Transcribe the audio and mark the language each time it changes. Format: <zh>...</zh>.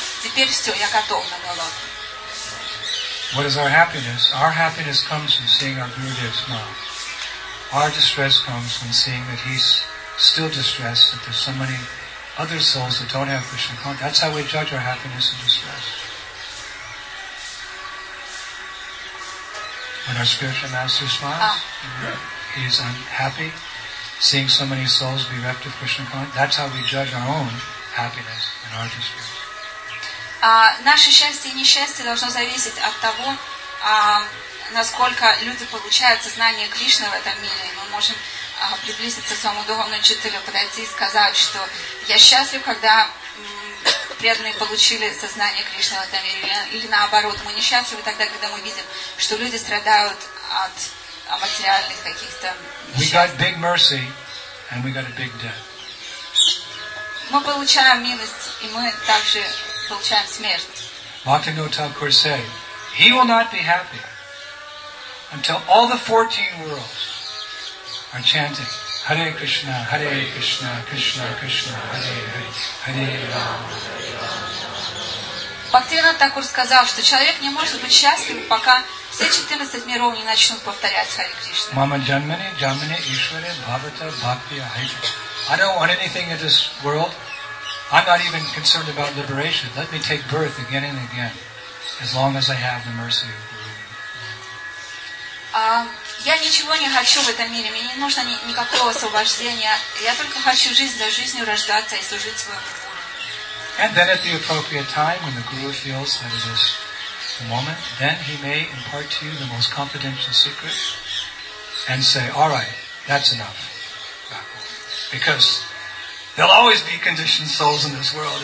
<ru>Теперь все, я готов на Голоку.</ru> <en>What is our happiness? Our happiness comes from seeing our Gurudev's mouth. Our distress comes from seeing that he's still distressed, that there's so many other souls that don't have Krishna consciousness. That's how we judge our happiness and distress. When our spiritual master smiles, he is unhappy. Seeing so many souls bereft of Krishna consciousness, that's how we judge our own happiness and our distress.</en> <ru>Наше счастье и несчастье должно зависеть от того, насколько люди получают сознание Кришны в этом мире. Мы можем приблизиться к своему духовному учителю, подойти и сказать, что я счастлив, когда преданные получили сознание Кришны в этом мире, или наоборот, мы несчастливы тогда, когда мы видим, что люди страдают от материальных каких-то несчастных.</ru> <en>We got big mercy, and we got a big debt.</en> <ru>мы получаем милость, и мы также получаем смерть.</ru> <en>Bhaktivinoda Thakur said, he will not be happy until all the 14 worlds are chanting Hare Krishna, Hare Krishna, Krishna Krishna, Hare Hare, Hare Rama.</en> <ru>Бхактивинода Такур сказал, что человек не может быть счастлив, пока все 14 миров не начнут повторять Харе Кришна.</ru> <sa>Мама Джанмани, Джанмани, Ишваре, Бхавата, Бхакти, Ахайта.</sa> <en>I don't want anything in this world. I'm not even concerned about liberation. Let me take birth again and again, as long as I have the mercy of the Lord.</en> <ru>Я ничего не хочу в этом мире. Мне не нужно никакого освобождения. Я только хочу жизнь за жизнью рождаться и служить своему</ru> <en>And then at the appropriate time, when the Guru feels that it is the moment, then he may impart to you the most confidential secret and say, all right, that's enough. Because there'll always be conditioned souls in this world.</en>